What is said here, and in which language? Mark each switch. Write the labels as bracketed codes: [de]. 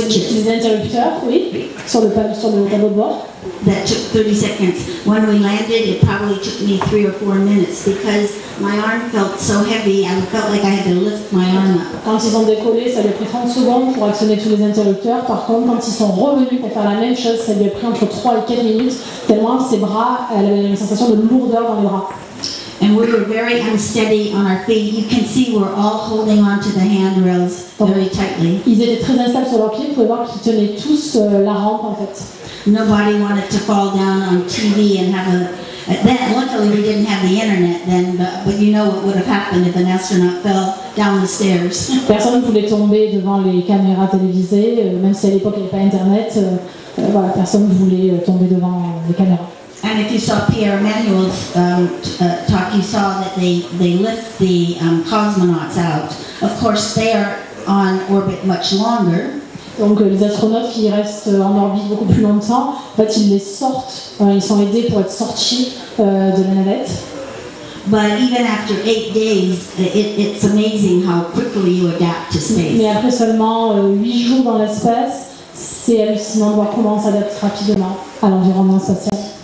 [fr] Les interrupteurs, oui, sur le tableau de bord. [en] That took 30 seconds. When we landed, it probably took me 3 or 4 minutes because my arm felt so heavy, I felt like I had to lift my arm up. [fr] Quand ils ont décollé, ça lui a pris 30 secondes pour actionner tous les interrupteurs. Par contre, quand ils sont revenus pour faire la même chose, ça lui a pris entre 3 et 4 minutes, tellement ses bras, elle avait une sensation de lourdeur dans les bras. [en] And we were very unsteady on our feet. You can see we're all holding on to the handrails very tightly. [fr] Ils étaient très instables sur leurs pieds. Vous pouvez voir qu'ils tenaient tous la rampe en fait. [en] Nobody wanted to fall down on TV and have a. Then, luckily, we didn't have the internet then. But you know what would have happened if an astronaut fell down the stairs. [fr] Personne ne pouvait tomber devant les caméras télévisées, même si à l'époque il n'y avait pas internet. Voilà, personne ne voulait tomber devant les caméras. [en] And if you saw Pierre Emmanuel's talk, you saw that they lift the cosmonauts out. Of course, they are on orbit much longer. [fr] Donc les astronautes qui restent en orbite beaucoup plus longtemps, en fait, ils les sortent. Ils sont aidés pour être sortis de la navette. [en] But even after 8 days, it's amazing how quickly you adapt to space. [fr] Mais après seulement 8 jours dans l'espace, c'est hallucinant de voir comment on s'adapte rapidement à l'environnement spatial.